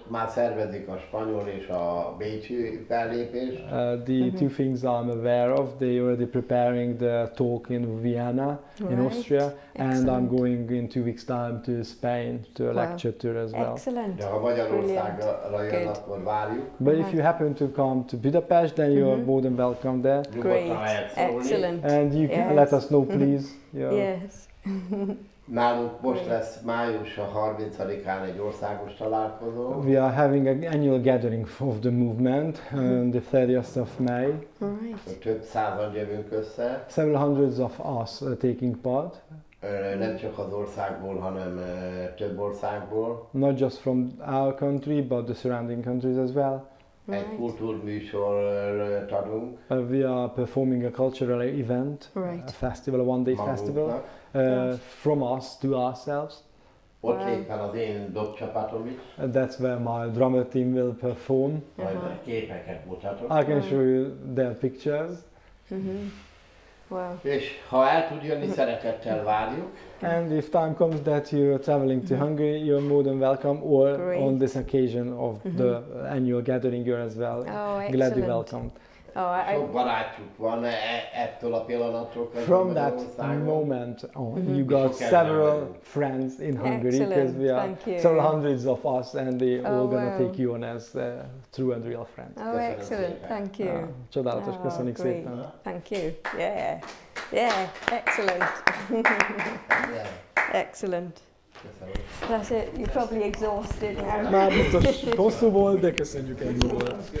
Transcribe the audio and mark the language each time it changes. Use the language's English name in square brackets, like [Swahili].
[Hungarian] Már szervezik a spanyol és a bécsi fellépés. [English] The two things I'm aware of, they already preparing the talk in Vienna, in Austria, and I'm going in 2 weeks time to Spain to a lecture tour as well. Excellent. [Hungarian] De ha Magyarországra jön, akkor várjuk. [English] But if you happen to come to Budapest, then you are more than welcome there. Great. Excellent. And you can let us know, please. Yes. [Hungarian] Nálunk most lesz május a 30-án egy országos találkozó. [English] We are having an annual gathering of the movement on the 30th of May. Right. [Hungarian] Több százan jövünk össze. [English] Several hundreds of us are taking part. [Hungarian] Nem csak az országból, hanem több országból. [English] Not just from our country, but the surrounding countries as well. Right. [Hungarian] Egy kultúrműsort adunk. [English] We are performing a cultural event, a festival, a one-day festival. From us to ourselves. [Hungarian] Ott éppen az én dob csapatom is. [English] That's where my drummer team will perform. [Hungarian] Majd a képeket mutatok. [English] I can show you their pictures. Wow. [Hungarian] És ha el tud jönni, szeretettel várjuk. [English] And if time comes that you are traveling to Hungary, you're more than welcome, or on this occasion of the annual gathering, you're as well. Gladly welcomed. [Hungarian] Sok barátjuk van ettől a pillanattól. [English] From that moment on, you got several friends in Hungary, because we are several hundreds of us, and they all gonna take you on as true and real friends. Oh, excellent, thank you. [Hungarian] Csodálatos, köszönjük szépen. [English] Thank you, yeah, excellent. Excellent. That's it, you're probably exhausted now. [Hungarian] Már biztos hosszú volt, de köszönjük ennyi volt.